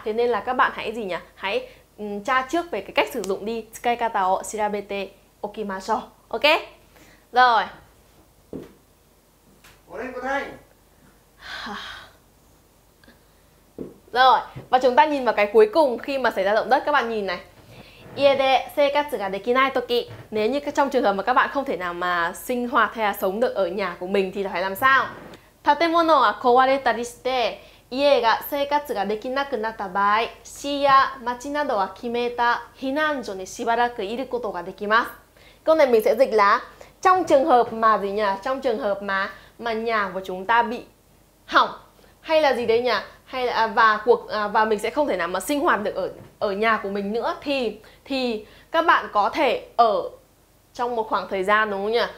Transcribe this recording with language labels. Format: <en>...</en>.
<vi>Thế nên là các bạn hãy gì nhỉ? Hãy tra trước về cái cách sử dụng đi.</vi> <ja>Skaikata o shirabete okimashou. Ok?</ja> <vi>Rồi. Rồi, và chúng ta nhìn vào cái cuối cùng khi mà xảy ra động đất các bạn nhìn này.</vi> <ja>家で生活ができない時,</ja> <vi>nếu như trong trường hợp mà các bạn không thể nào mà sinh hoạt hay là sống được ở nhà của mình thì phải làm sao?</vi> <ja>建物が壊れたりして家が生活ができなくなった場合、市や町などは決めた避難所にしばらくいることができます。</ja> <vi>Câu này mình sẽ dịch là trong trường hợp mà gì nhỉ? Trong trường hợp mà nhà của chúng ta bị hỏng hay là gì đấy nhỉ? Hay là và mình sẽ không thể nào mà sinh hoạt được ở ở nhà của mình nữa thì các bạn có thể ở trong một khoảng thời gian đúng không nhỉ?</vi>